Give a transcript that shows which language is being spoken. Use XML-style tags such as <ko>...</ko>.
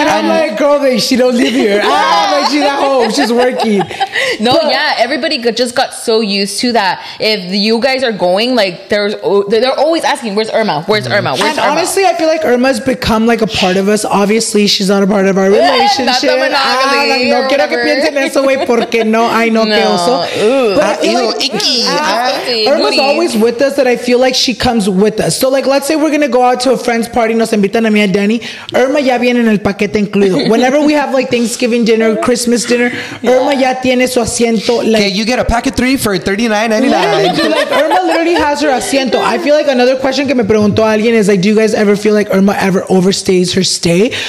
<en>And I'm like, girl, she don't live here. Ah, like, she's at home. She's working. No, but, yeah. Everybody just got so used to that. If you guys are going, like, they're always asking, where's Irma? Where's Irma? Where's and Irma? Honestly, I feel like Irma's become, like, a part of us. Obviously, she's not a part of our relationship. Not the monogamy. Ah, like,</en> <es>no quiero que piensen eso, wey, porque no, ay, no, que oso.</es> <en>Irma's always with us, and I feel like she comes with us. So, like, let's say we're going to go out to a friend's party.</en> <es>Nos invitan a mí a Danny. Irma ya viene en el paquete incluido.</es> <en>Whenever we have, like, Thanksgiving dinner, Christmas dinner,</en> <es>Irma ya tiene su asiento.</es> <en>Like, okay, you get a pack of three for $39.99. Irma literally has her asiento. I feel like another question</en> <es>que me preguntó alguien</es> <en>is, like, do you guys ever feel like Irma ever overstays her stay?</en>